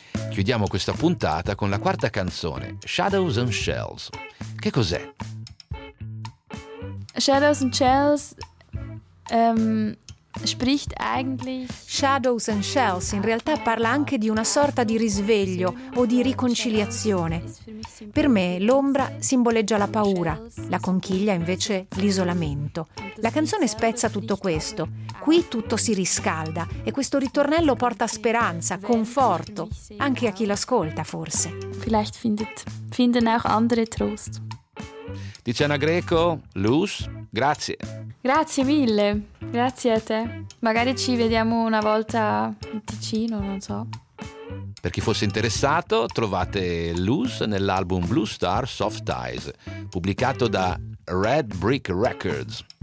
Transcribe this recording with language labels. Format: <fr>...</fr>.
<it>Chiudiamo questa puntata con la quarta canzone, Shadows and Shells. Che cos'è?</it> <de>Shadows and Shells spricht eigentlich.</de> <it>Shadows and Shells in realtà parla anche di una sorta di risveglio o di riconciliazione. Per me l'ombra simboleggia la paura, la conchiglia invece l'isolamento. La canzone spezza tutto questo. Qui tutto si riscalda e questo ritornello porta speranza, conforto, anche a chi l'ascolta forse.</it> <de>Vielleicht finden auch andere Trost.</de> <it>Tiziana Greco, Luz, grazie. Grazie mille, grazie a te. Magari ci vediamo una volta in Ticino, non so. Per chi fosse interessato, trovate Luz nell'album Blue Star Soft Eyes, pubblicato da Red Brick Records.</it>